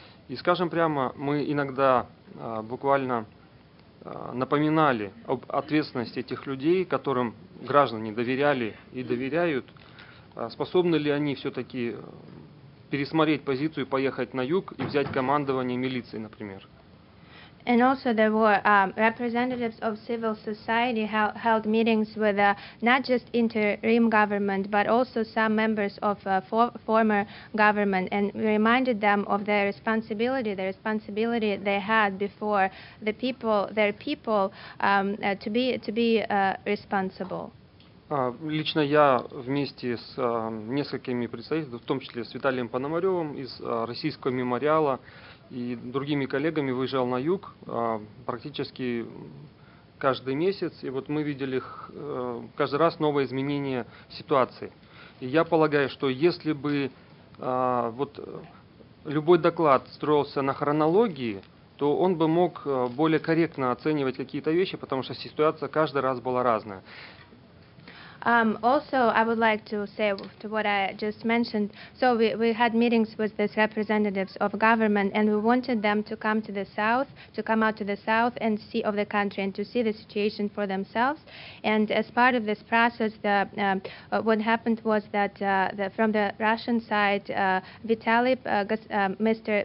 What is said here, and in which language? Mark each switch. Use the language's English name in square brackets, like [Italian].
[Russian] И скажем прямо, мы иногда буквально напоминали об ответственности этих людей, которым граждане доверяли и доверяют. Способны ли они все-таки пересмотреть позицию, поехать на юг и взять командование милицией, например? [English] And also there were representatives of civil society held meetings with not just interim government, but also some members of former government, and reminded them of the responsibility they had before their people to be responsible. [Russian] Лично я вместе с несколькими представителями, в том числе с Виталием Пономаревым из российского мемориала, и другими коллегами выезжал на юг практически каждый месяц, и вот мы видели каждый раз новые изменения ситуации. И я полагаю, что если бы вот любой доклад строился на хронологии, то он бы мог более корректно оценивать какие-то вещи, потому что ситуация каждый раз была разная. [English] Also, I would like to say to what I just mentioned, so we had meetings with these representatives of government, and we wanted them to come to the south, to come out to the south and see of the country and to see the situation for themselves. And as part of this process, what happened was that from the Russian side, Mr.